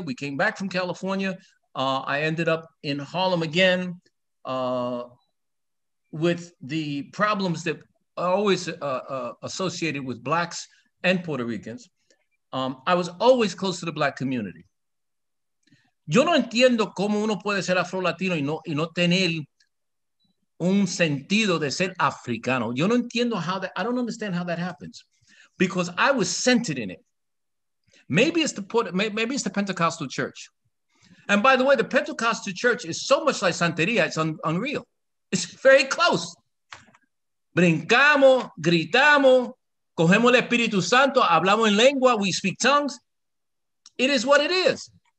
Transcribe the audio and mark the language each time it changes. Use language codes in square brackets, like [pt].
[en] We came back from California. I ended up in Harlem again. With the problems that are always associated with Blacks and Puerto Ricans, I was always close to the Black community. [es] Yo no entiendo cómo uno puede ser afro-latino y no tener un sentido de ser africano. Yo no entiendo [en] how that, I don't understand how that happens. Because I was centered in it. Maybe it's the Pentecostal church. And by the way, the Pentecostal church is so much like Santería, it's unreal. It's very close. [es] Brincamos, gritamos, cogemos el Espíritu Santo, hablamos en lengua, [en] we speak tongues. It is what it is.